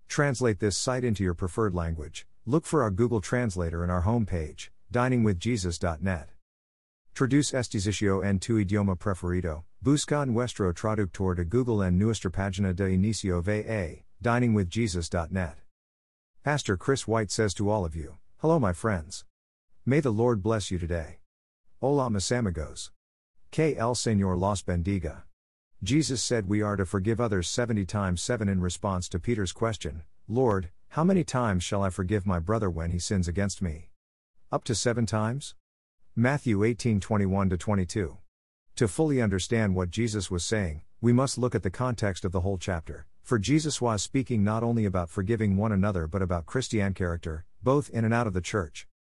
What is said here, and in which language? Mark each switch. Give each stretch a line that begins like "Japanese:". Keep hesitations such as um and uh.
English: Translate this site into your preferred language. Look for our Google Translator in our homepage, diningwithjesus.net.
Spanish: Traduce este sitio en tu idioma preferido. Busca nuestro traductor de Google en nuestra página de inicio va, diningwithjesus.net.
English: Pastor Chris White says to all of you, Hello, my friends. May the Lord bless you today.
Spanish: Hola, mis amigos. Que el Señor los bendiga.
English: Jesus said we are to forgive others 70 times 7 in response to Peter's question, Lord, how many times shall I forgive my brother when he sins against me? Up to 7 times? Matthew 18 21 22. To fully understand what Jesus was saying, we must look at the context of the whole chapter, for Jesus was speaking not only about forgiving one another but about Christian character, both in and out of the church.